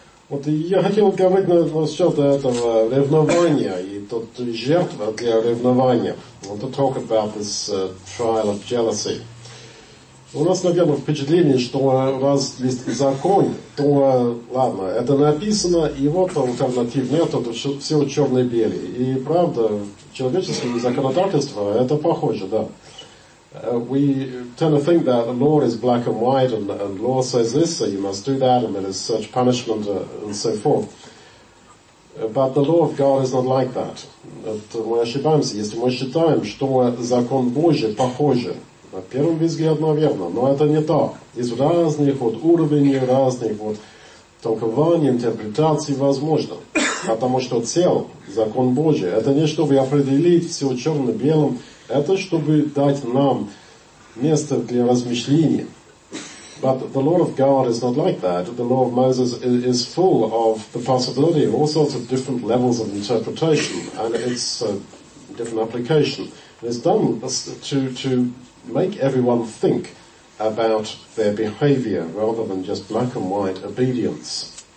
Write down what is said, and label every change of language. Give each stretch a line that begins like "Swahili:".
Russian: Вот я хотел говорить насчет этого ревнования и тут жертва для ревнования.
English: I want to talk about this trial of jealousy.
Russian: У нас, наверное, впечатление, что раз есть закон, то ладно, это написано, и вот альтернатив нет, это все черно-белый. И правда, человеческое законодательство это похоже, да.
English: We tend to think that the law is black and white, and law says this, so you must do that, and there is such punishment, and so forth. But the law of God is not like that.
Russian: Это мы ошибаемся, если мы считаем, что закон Божий похожий. На первом взгляде, наверное, но это не так. Из разных вот уровней, разных вот толкований, интерпретаций возможно. Потому что цель, закон Божий, это не чтобы определить все черно-белым, это чтобы дать нам место для размышления.
English: But the law of God is not like that. The law of Moses is full of the possibility of all sorts of different levels of interpretation and its different application. It's done to make everyone think about their behavior rather than just black and white obedience.